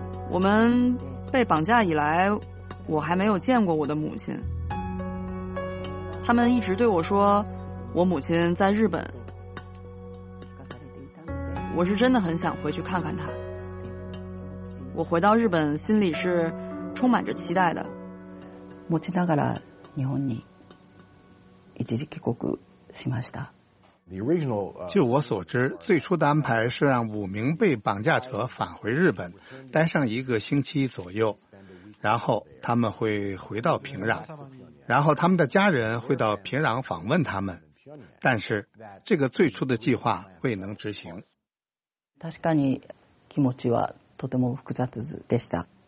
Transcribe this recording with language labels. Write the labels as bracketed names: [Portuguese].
[Chinese] 我们被绑架以来，我还没有见过我的母亲。他们一直对我说，我母亲在日本。我是真的很想回去看看她。我回到日本，心里是充满着期待的。 [Japanese] 持ちながら日本に一時帰国しました。 [Chinese] 据我所知，最初的安排是让五名被绑架者返回日本，待上一个星期左右，然后他们会回到平壤，然后他们的家人会到平壤访问他们。但是，这个最初的计划未能执行。 [Japanese] 確かに気持ちはとても複雑でした。